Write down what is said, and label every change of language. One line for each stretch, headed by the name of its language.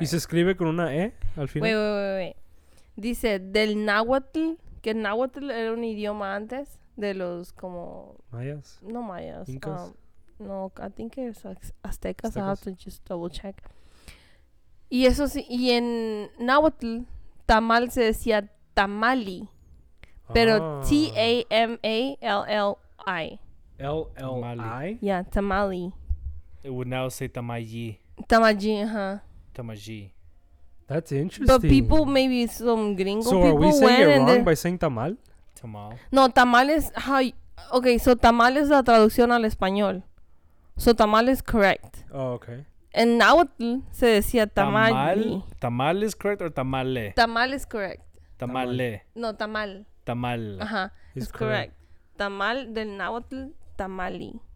Spanish: ¿Y se escribe con una E al final? Wait. Dice del náhuatl que el náhuatl era un idioma antes de los como... ¿Mayas? No mayas. ¿Incas?
English: No, I think it's aztecas. I have to just double check.
Spanish: Y eso sí, y en náhuatl, tamal se decía tamali. Pero ah. T-A-M-A-L-L-I. L-L-I?
English: Yeah, tamali. It would now say tamayi. Tamayi, huh? Tamayi. That's interesting. But people, maybe some gringo so people went. So are we saying it wrong by saying tamal? Tamal. No, tamal is how... Okay, so tamal is
Spanish: la traducción al español.
English: So tamal is correct. Oh, okay.
Spanish: En náhuatl se decía tamali.
English: Tamal, tamal is correct or tamale? Tamal is correct. Tamale. No, tamal. Tamal.
Spanish: Ajá.
English: Is correct.
Spanish: Tamal del náhuatl, tamali.